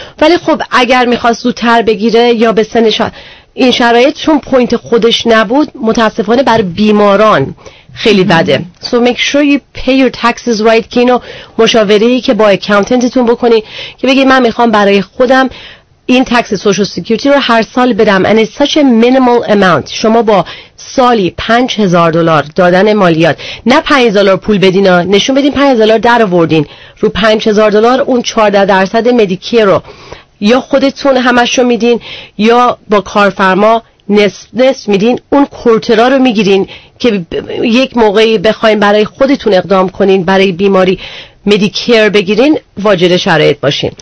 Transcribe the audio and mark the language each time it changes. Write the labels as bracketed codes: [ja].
[fa] ولی خب اگر میخواست زودتر بگیره یا به سنش این شرایط، چون پوینت خودش نبود، متاسفانه بر بیماران خیلی بده. [en] So make sure you pay your taxes right. [fa] که اینو مشاوره‌ای که با اکاونتنتتون بکنی که بگی من میخوام برای خودم این تکس سوشال سکیوریتی رو هر سال بدم [en] and it's such a minimal amount. [fa] شما با سالی $5,000 دادن مالیات، نه $5,000 پول بدین، نشون بدین $5,000 در آوردین، رو $5,000 اون 14% مدیکر رو یا خودتون همش رو میدین یا با کارفرما نصف میدین، اون کورترا رو میگیرین که یک موقعی بخواین برای خودتون اقدام کنین برای بیماری مدیکر بگیرین واجد شرایط باشین.